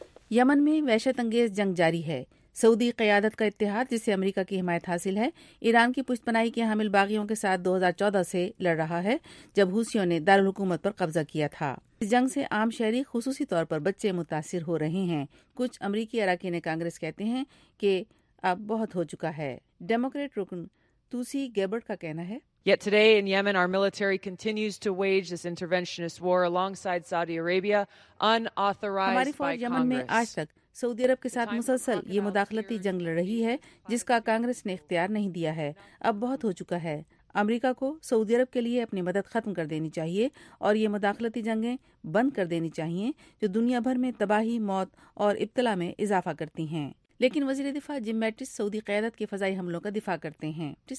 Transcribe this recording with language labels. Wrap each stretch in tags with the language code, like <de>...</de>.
<ur>یمن میں وحشت انگیز جنگ جاری ہے۔ سعودی قیادت کا اتحاد جسے امریکہ کی حمایت حاصل ہے، ایران کی پشت پناہی کے حامل باغیوں کے ساتھ 2014 سے لڑ رہا ہے جب حوثیوں نے دارالحکومت پر قبضہ کیا تھا۔ اس جنگ سے عام شہری، خصوصی طور پر بچے متاثر ہو رہے ہیں۔ کچھ امریکی اراکین کانگریس کہتے ہیں کہ اب بہت ہو چکا ہے۔ ڈیموکریٹ رکن توسی گیبرٹ کا کہنا ہے،</ur> <en>Yet today in Yemen our military continues to wage this interventionist war alongside Saudi Arabia unauthorized by Congress.</en> <ur>ہماری فوج یمن میں آج تک سعودی عرب کے ساتھ مسلسل یہ مداخلتی جنگ لڑ رہی ہے جس کا کانگریس نے اختیار نہیں دیا ہے۔ اب بہت ہو چکا ہے۔ امریکہ کو سعودی عرب کے لیے اپنی مدد ختم کر دینی چاہیے اور یہ مداخلتی جنگیں بند کر دینی چاہیے جو دنیا بھر میں تباہی، موت اور ابتلا میں اضافہ کرتی ہیں۔ لیکن وزیر دفاع جم میٹس سعودی قیادت کے فضائی حملوں کا دفاع کرتے ہیں۔</ur>